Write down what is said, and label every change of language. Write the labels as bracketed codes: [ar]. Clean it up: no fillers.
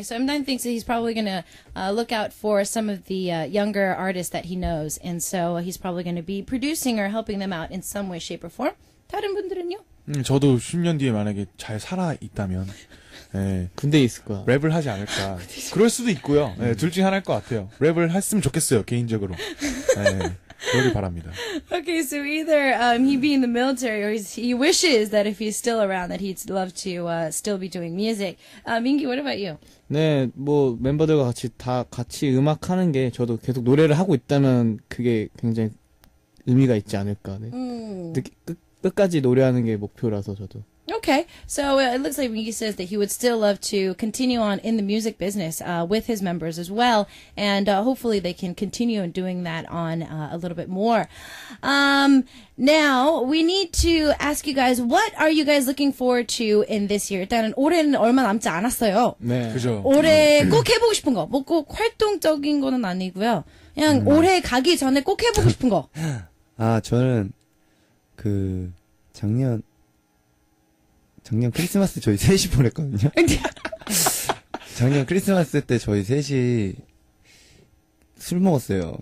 [en] So M9 thinks that he's probably gonna look out for some of the younger artists that he knows, and so he's probably gonna be producing or helping them out in some way, shape, or form. [ko] 다른 분들은요? 저도 10년 뒤에 만약에 잘 살아 있다면, 예, 군대에 있을 거야. 랩을 하지 않을까. 그럴 수도 있고요. 예, 둘 중 하나일 것 같아요. 랩을 했으면 좋겠어요, 개인적으로. 예. [en] Okay, so either he be in the military or he wishes that if he's still around that he'd love to still be doing music. Mingi, what about you? [ko] 네, 뭐 멤버들과 같이 다 같이 음악하는 게 저도 계속 노래를 하고 있다면 그게 굉장히 의미가 있지 않을까. 네. 끝까지 노래하는 게 목표라서 저도. [en] Okay, so it looks like Mingi says that he would still love to continue on in the music business with his members as well, and hopefully they can continue doing that on a little bit more. Now, we need to ask you guys, what are you guys looking forward to in this year? [ko] 일단은 올해는 얼마 남지 않았어요. 네, 그죠. 올해 꼭 해보고 싶은 거, 뭐 꼭 활동적인 거는 아니고요. 그냥 올해 가기 전에 꼭 해보고 싶은 거. 아, 저는 그 작년... 작년 크리스마스 저희 셋이 보냈거든요. 작년 크리스마스 때 저희 셋이 술 먹었어요.